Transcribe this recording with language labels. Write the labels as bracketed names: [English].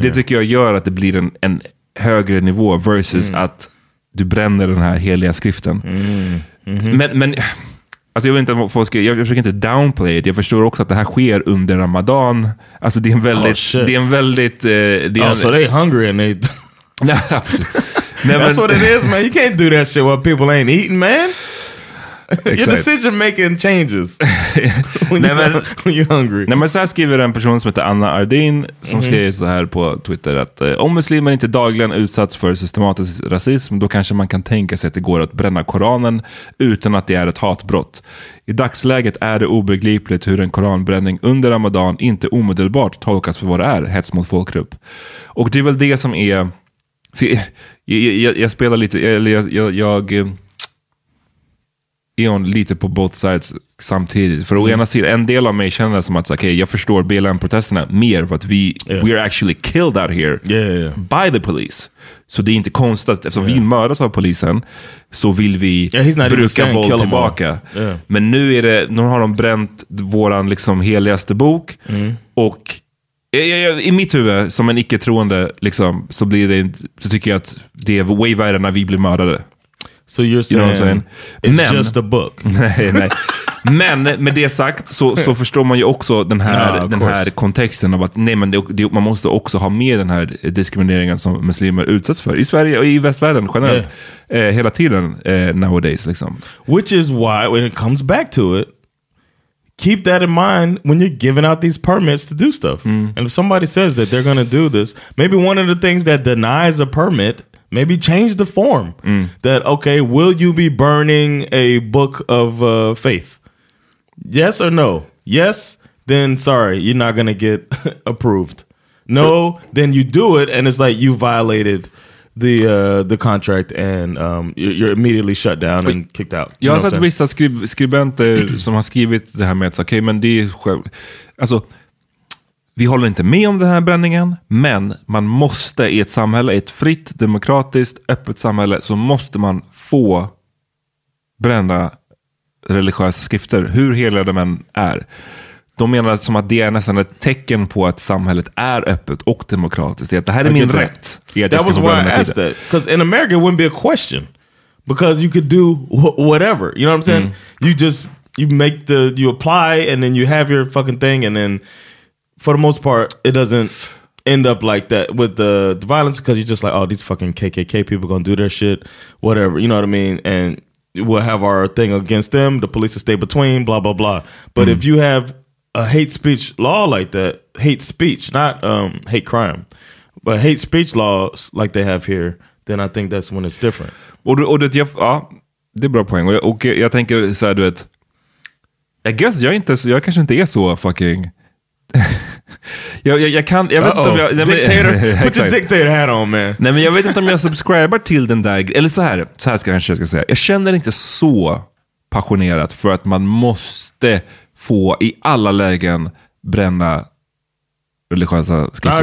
[Swedish] Det tycker jag gör att det blir en högre nivå versus att du bränner den här heliga skriften. Men alltså jag vet inte om folk ska, jag försöker inte [English] downplay it. [Swedish] Jag förstår också att det här sker under Ramadan. Alltså det är en väldigt... Så de är [English] hungry and they... That's what it is, man. You can't do that shit while people ain't eating, man. Your decision making changes when you're hungry. [Swedish] Nej, men så här skriver en person som heter Anna Ardin, som skriver så här på Twitter, att om muslimer inte dagligen utsatts för systematisk rasism, då kanske man kan tänka sig att det går att bränna Koranen utan att det är ett hatbrott. I dagsläget är det obegripligt hur en koranbränning under Ramadan inte omedelbart tolkas för vad det är, hets mot folkgrupp. Och det är väl det som är... Jag spelar lite... Eon lite på [English] both sides [Swedish] samtidigt. För å ena sidan, en del av mig känner som att okay, jag förstår BLM-protesterna mer, för att [English] we are actually killed out here by the police. [Swedish] Så det är inte konstigt, eftersom vi mördas av polisen, så vill vi bruka våld tillbaka. [English] Yeah. [Swedish] Men nu har de bränt våran liksom heligaste bok, och i mitt huvud, som en icke-troende liksom, så blir det, så tycker jag att det är way värre när vi blir mördade. [English] So you're saying, you know what I'm saying? It's just a book. [Swedish] Nej, nej. Men med det sagt så förstår man ju också den här, ja, den här kontexten av att nej, men det, man måste också ha med den här diskrimineringen som muslimer utsätts för i Sverige och i västvärlden generellt, yeah, hela tiden nowadays liksom. [English] Which is why when it comes back to it, keep that in mind when you're giving out these permits to do stuff. Mm. And if somebody says that they're going to do this, maybe one of the things that denies a permit, maybe change the form. Mm. That, okay, will you be burning a book of faith? Yes or no? Yes, then sorry, you're not going to get approved. No, then you do it and it's like you violated the contract and you're immediately shut down and kicked out. [Swedish] Jag har sett vissa skribenter som har skrivit det här med att okej, men det är själv, alltså vi håller inte med om den här bränningen, men man måste i ett samhälle, ett fritt, demokratiskt, öppet samhälle, så måste man få bränna religiösa skrifter, hur heliga de än är. De menar som att det är nästan ett tecken på att samhället är öppet och demokratiskt. Det här är min rätt. [English] That was why I asked that. Because in America it wouldn't be a question. Because you could do whatever. You know what I'm saying? Mm. You apply and then you have your fucking thing and then for the most part it doesn't end up like that with the violence because you're just like, oh, these fucking KKK people gonna do their shit, whatever. You know what I mean? And we'll have our thing against them. The police will stay between, blah, blah, blah. But if you have a hate speech law like that, hate speech, not hate crime, but hate speech laws like they have here, then I think that's when it's different. [Swedish] Och det, ja, det är bra poäng. Och jag tänker så här, du vet, jag kanske inte är så fucking jag kan, jag vet inte om jag, nej, men, [English] dictator, put your dictator hat on, man. [Swedish] Nej, men jag vet inte om jag subscriber till den där, eller så här ska jag kanske säga, jag känner inte så passionerat för att man måste få i alla lägen bränna religiösa skrifter.